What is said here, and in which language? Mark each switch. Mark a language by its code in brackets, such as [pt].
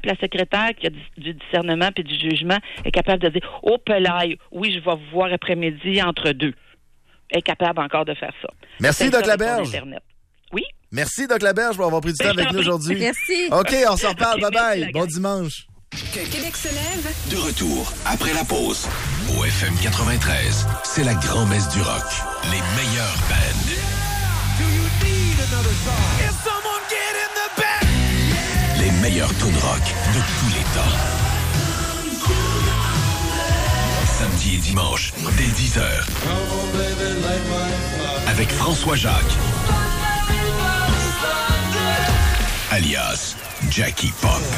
[fr] Puis la secrétaire, qui a du discernement puis du jugement, est capable de dire « Oh, pelaille, oui, je vais vous voir après-midi entre deux. » Elle est capable encore de faire ça. Merci, Doc Laberge. Oui? Merci, Doc Laberge, pour avoir pris du temps avec nous aujourd'hui. Merci. OK, on s'en reparle. Okay, bye-bye. Bon dimanche. Que Québec se lève. De retour, après la pause, au FM 93, c'est la grand-messe du rock. Les meilleurs bands. [en] Yeah! Do you need another song? Can someone get in the band? Yeah! [fr] Les meilleurs tunes rock de tous les temps. Samedi et dimanche, dès 10h. Avec François Jacques. Alias Jackie Pop.